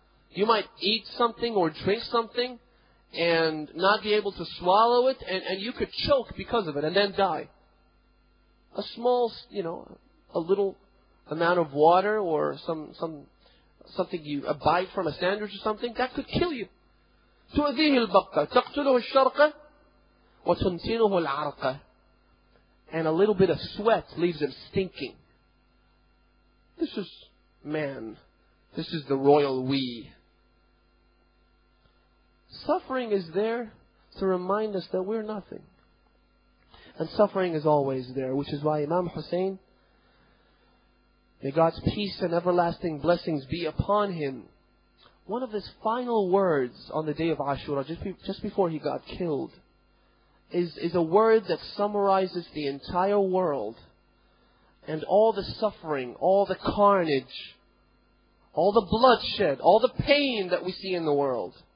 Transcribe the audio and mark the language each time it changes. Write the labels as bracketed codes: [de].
[en] You might eat something or drink something and not be able to swallow it, and you could choke because of it and then die. A small, you know, a little amount of water or some something you abide from, a sandwich or something, that could kill you. [ar] تؤذيه البقة تقتله الشرقة وتنتنه العرقة. [en] And a little bit of sweat leaves him stinking. This is man. This is the royal we. Suffering is there to remind us that we're nothing. And suffering is always there, which is why Imam Hussein, may God's peace and everlasting blessings be upon him, one of his final words on the day of Ashura, just before he got killed, is a word that summarizes the entire world and all the suffering, all the carnage, all the bloodshed, all the pain that we see in the world.